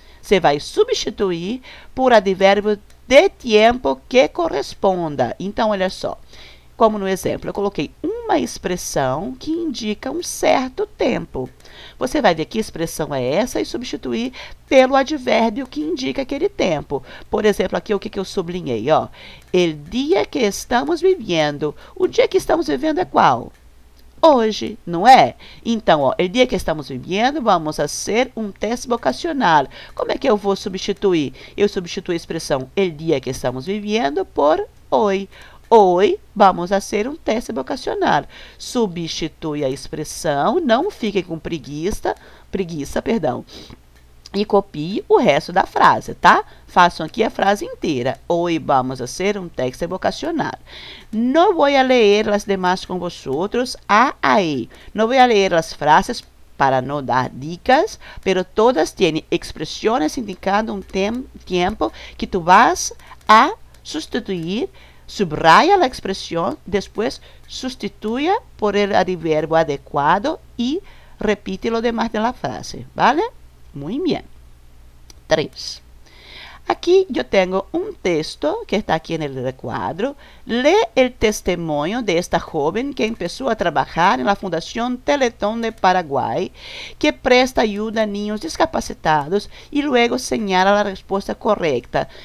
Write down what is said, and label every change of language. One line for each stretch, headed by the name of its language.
Portuguese: Você vai substituir por advérbio de tempo que corresponda. Então, olha só. Como no exemplo, eu coloquei uma expressão que indica um certo tempo. Você vai ver que expressão é essa e substituir pelo advérbio que indica aquele tempo. Por exemplo, aqui o que que eu sublinhei, ó?
Spanish: El día que estamos viviendo.
Portuguese: O dia que estamos vivendo é qual? Hoje, não é? Então, ó, o dia que estamos vivendo, vamos fazer um teste vocacional. Como é que eu vou substituir? Eu substituo a expressão o dia que estamos vivendo por oi. Oi, vamos fazer um teste vocacional. Substitui a expressão, não fique com preguiça, perdão. E copie o resto da frase, tá? Façam aqui a frase inteira.
Spanish: Hoy vamos a hacer un texto vocacional. No voy a leer las demás con vosotros. Ahí. No voy a leer las frases para no dar dicas, pero todas tienen expresiones indicando un tiempo que tú vas a sustituir. Subraya la expresión, después sustituya por el adverbio adecuado y repite lo demás de la frase, ¿vale? Muy bien. 3.
Portuguese: Aqui eu tenho um texto que está aqui no quadro. Lê o testemunho de esta jovem que começou a trabalhar na Fundação Teleton de Paraguai, que presta ajuda a
Spanish: niños discapacitados,
Portuguese: e logo señala a resposta correta.